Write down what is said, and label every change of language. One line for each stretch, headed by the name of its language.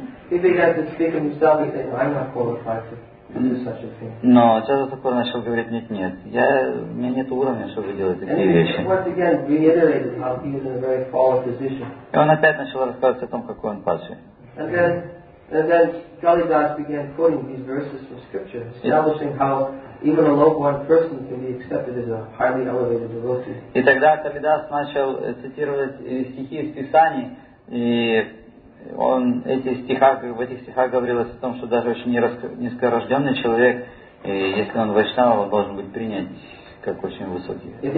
English: He began to speak of himself and saying, I'm not qualified to do such a thing.
Russian: Но Чаджа Сакура начал говорить, нет, у меня нет уровня, чтобы делать такие вещи.
English: And he once again reiterated how he's in a very fallen position.
Russian: И он опять начал рассказывать о том, какой он падший.
English: And then Kalidas began quoting these verses from scripture, establishing how even a low born person can be accepted as a highly elevated devotee.
Russian: И тогда Калидас начал цитировать стихи из Писаний, и он в этих стихах говорилось о том, что даже очень низкорожденный человек, если он вайшнава, он должен быть принят как очень высокий.